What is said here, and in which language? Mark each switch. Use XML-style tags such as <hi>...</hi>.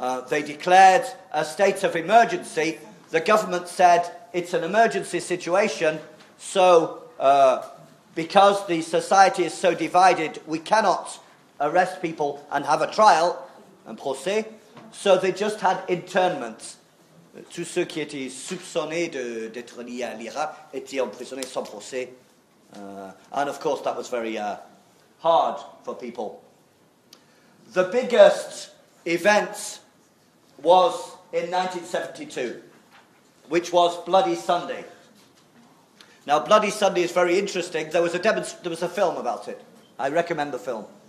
<en>They declared a state of emergency. The government said it's an emergency situation, so because the society is so divided, we cannot arrest people and have a trial,</en> <fr>un procès.</fr> <en>So they just had internments.</en> <fr>Tous ceux qui étaient soupçonnés d'être liés à l'IRA étaient emprisonnés sans procès.</fr> <en>And of course, that was very hard for people. The biggest event was in 1972, which was Bloody Sunday. Now, Bloody Sunday is very interesting. There was a film about it. I recommend the film.</en>